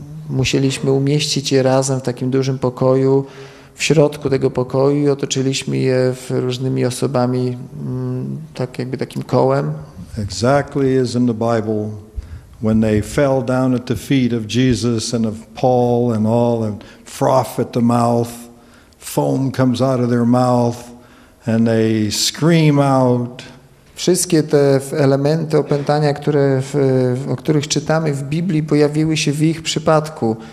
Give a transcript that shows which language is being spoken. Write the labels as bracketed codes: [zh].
[pl] Musieliśmy umieścić je razem w takim dużym pokoju, w środku tego pokoju, i otoczyliśmy je różnymi osobami, tak jakby takim kołem. [en] Exactly as in the Bible, when they fell down at the feet of Jesus and of Paul and all, and froth at the mouth, foam comes out of their mouth, and they scream out. [pl] Wszystkie te elementy opętania, o których czytamy w Biblii, pojawiły się w ich przypadku.